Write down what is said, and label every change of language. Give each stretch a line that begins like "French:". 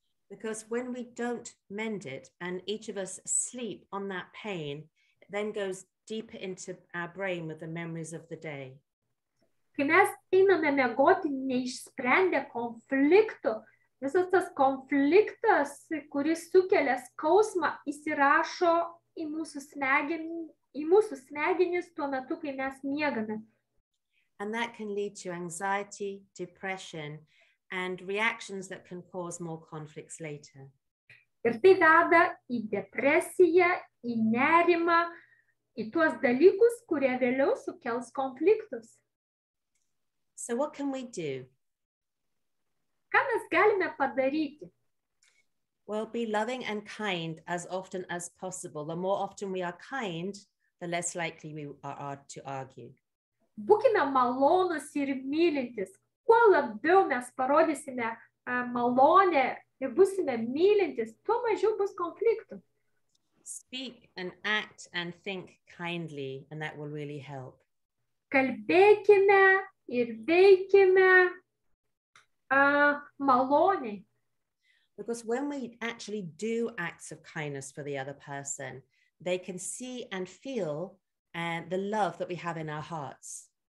English: Because when we don't mend it and each of us sleep on that pain, it then goes deeper into our brain with the memories of the day.
Lithuanian: Kai mes einame miegoti neišsprendę konfliktų, visas tas konfliktas, kuris sukelia skausmą, įsirašo į mūsų smegenis, tuo metu, kai mes miegame.
English: And that can lead to anxiety, depression, and reactions that can cause more conflicts later.
Lithuanian: Ir tai veda į depresiją, į nerimą, į tuos dalykus, kurie vėliau sukels konfliktus.
English: So what can we do?
Lithuanian: Ką mes galime padaryti?
English: Well, be loving and kind as often as possible. The more often we are kind, the less likely we are to argue.
Lithuanian: Būkime malonus ir mylintis. Kuo labiau mes parodysime malonę ir būsime mylintis, tuo mažiau bus konfliktų.
English: Speak and act and think kindly, and that will really help.
Lithuanian: Kalbėkime ir veikime maloniai.
English: Because when we actually do acts of kindness for the other person, they can see and feel the love that we have in our hearts.